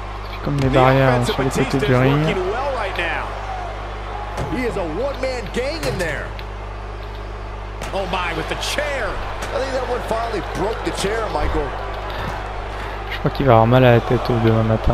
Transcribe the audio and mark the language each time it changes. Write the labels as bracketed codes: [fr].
[fr] C'est comme les barrières hein, sur les côtés du ring. [en] Well right now. He is a one-man gang in there. Oh my, with the chair. I think that one finally broke the chair, Michael. [fr] Je crois qu'il va avoir mal à la tête au demain matin.